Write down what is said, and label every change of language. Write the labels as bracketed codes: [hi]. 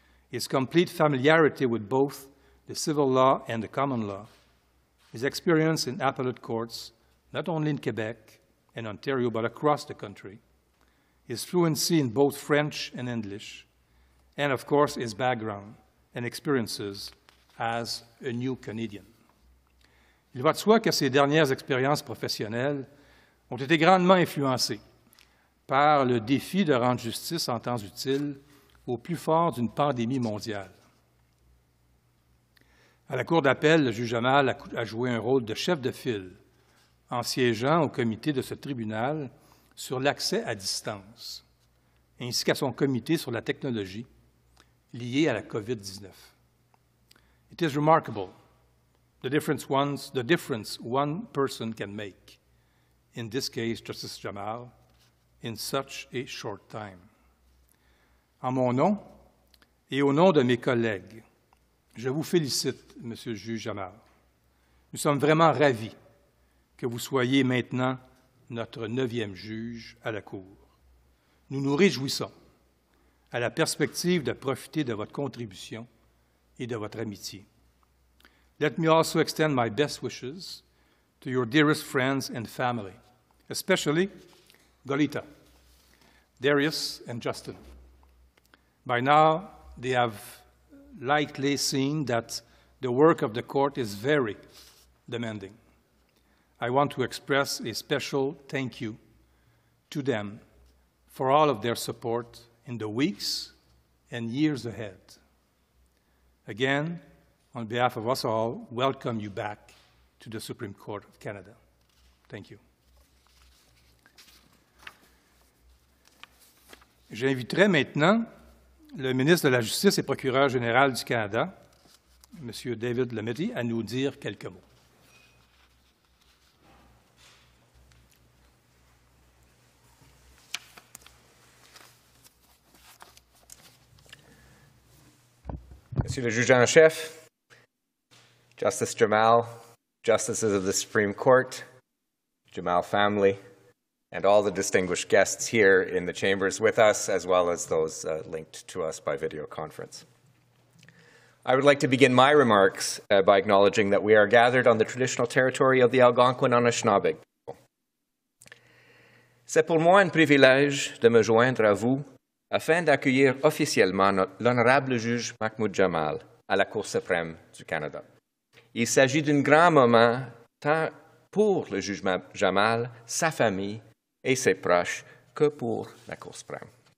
[en] His complete familiarity with both the civil law and the common law, his experience in appellate courts, not only in Quebec and Ontario, but across the country, his fluency in both French and English, and of course, his background and experiences as a new Canadian. [fr] Il va de soi que ses dernières expériences professionnelles ont été grandement influencées par le défi de rendre justice en temps utile au plus fort d'une pandémie mondiale. À la Cour d'appel, le juge Jamal a joué un rôle de chef de file en siégeant au comité de ce tribunal sur l'accès à distance, ainsi qu'à son comité sur la technologie liée à la COVID-19. [en] It is remarkable the difference one person can make, in this case, Justice Jamal, in such a short time. [fr] En mon nom et au nom de mes collègues, je vous félicite, Monsieur le juge Jamal. Nous sommes vraiment ravis que vous soyez maintenant notre 9e juge à la Cour. Nous nous réjouissons à la perspective de profiter de votre contribution et de votre amitié. [en] Let me also extend my best wishes to your dearest friends and family, especially Golita, Darius, and Justin. By now, they have likely seen that the work of the court is very demanding. I want to express a special thank you to them for all of their support in the weeks and years ahead. Again, on behalf of us all, welcome you back to the Supreme Court of Canada. Thank you. [fr] J'inviterai maintenant le ministre de la Justice et procureur général du Canada, M. David Lametti, à nous dire quelques mots. Monsieur le juge en chef, [en] Justice Jamal, justices of the Supreme Court, Jamal family, and all the distinguished guests here in the chambers with us, as well as those linked to us by video conference. I would like to begin my remarks by acknowledging that we are gathered on the traditional territory of the Algonquin Anishinaabe people. [fr] C'est pour moi un privilège de me joindre à vous afin d'accueillir officiellement l'honorable juge Mahmud Jamal à la Cour suprême du Canada. Il s'agit d'un grand moment tant pour le juge Jamal, sa famille et ses proches que pour la Cour suprême.